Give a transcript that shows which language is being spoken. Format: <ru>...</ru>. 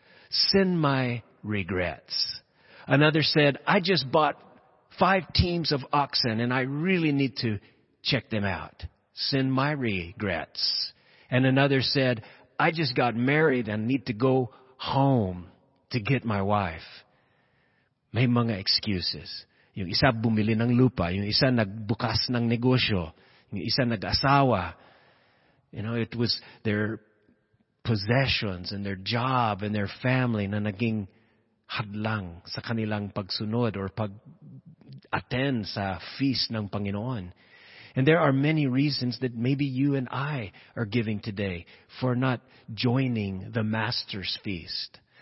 <en>Send my regrets. Another said, I just bought 5 teams of oxen and I really need to check them out. Send my regrets. And another said, I just got married and need to go home to get my wife.</en> <tl>May mga excuses. Yung isa bumili ng lupa, yung isa nagbukas ng negosyo, yung isa nag-asawa.</tl> <en>You know, it was their possessions and their job and their family</en> <tl>na naging hadlang sa kanilang pagsunod or pag-attend sa feast ng Panginoon.</tl> <en>And there are many reasons that maybe you and I are giving today for not joining the Master's Feast.</en>